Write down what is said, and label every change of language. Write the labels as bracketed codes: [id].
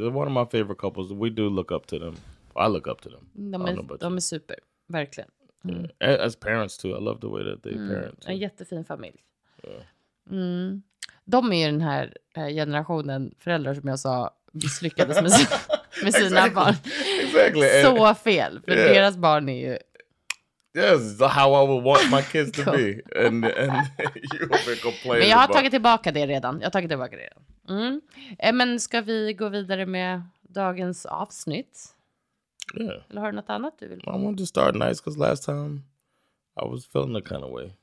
[en] They're one of my favorite couples. We do look up to them. I look up to them. [sv] De är super. Verkligen. [en] Yeah. As parents too. I love the way that they parent. [sv] En jättefin familj. Yeah. De är ju den här generationen föräldrar som jag sa misslyckades med med sina [en] exactly. [sv] barn. [en] Exactly. [sv] Så fel. För deras barn är ju... [en] Yes, how I would want my kids to be. And you have been complaining. [sv] Men jag har tagit tillbaka det redan. Jag har tagit tillbaka det redan. Men ska vi gå vidare med dagens avsnitt? [en] Yeah. [sv] Eller har du något annat du vill? [en] I wanted to start nice because last time I was feeling the kind of way.